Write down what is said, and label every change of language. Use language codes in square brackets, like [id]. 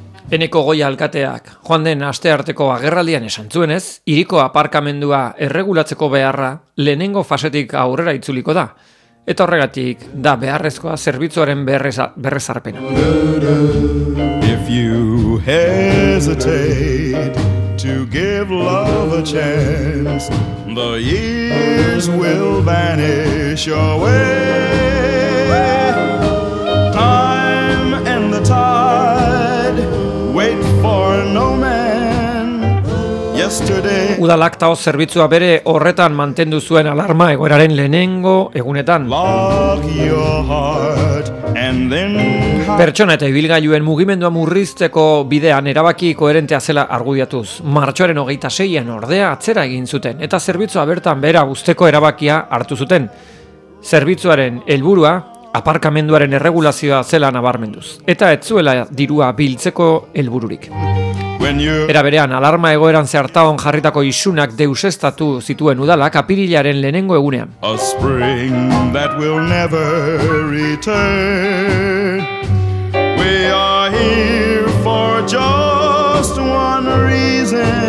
[eu] Eneko Goia alkateak, joan den astearteko agerraldian esan zuenez, hiriko aparkamendua erregulatzeko beharra lehenengo fasetik aurrera itzuliko da. Eta horregatik, da beharrezkoa zerbitzuaren berrezarpena. [en] If you hesitate to give love a chance, the years will vanish away. Time and the tide wait for no man. Yesterday. [eu] Udalak TAO zerbitzua bere horretan mantendu zuen alarma egoeraren lehenengo egunetan. [en] Lock your heart and then. [eu] Pertsona eta ibilgailuen mugimendua murrizteko bidean erabaki koherentea zela argudiatuz. Martxoaren 26an ordea atzera egin zuten eta zerbitzua bertan behera uzteko erabakia hartu zuten. Zerbitzuaren helburua aparkamenduaren erregulazioa zela nabarmenduz eta ez zuela dirua biltzeko helbururik. Era berean, alarma egoeran zehartagon jarritako isunak deusestatu zituen udalak apirilaren lehenengo egunean. [en] A spring that will never return. We are here for just one reason.